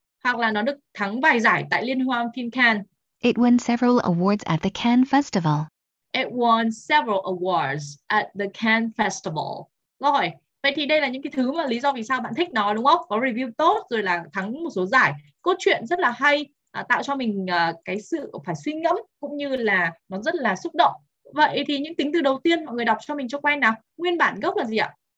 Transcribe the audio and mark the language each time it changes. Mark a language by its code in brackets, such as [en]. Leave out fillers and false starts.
[vi] Hoặc là nó được thắng vài giải tại Liên hoan phim Cannes. [en] It won several awards at the Cannes Festival. It won several awards at the Cannes Festival. [vi] Rồi, vậy thì đây là những cái thứ mà lý do vì sao bạn thích nó đúng không? Có review tốt rồi là thắng một số giải, cốt truyện rất là hay, tạo cho mình cái sự phải suy ngẫm cũng như là nó rất là xúc động. Vậy thì những tính từ đầu tiên mọi người đọc cho mình cho quen nào. Nguyên bản gốc là gì ạ?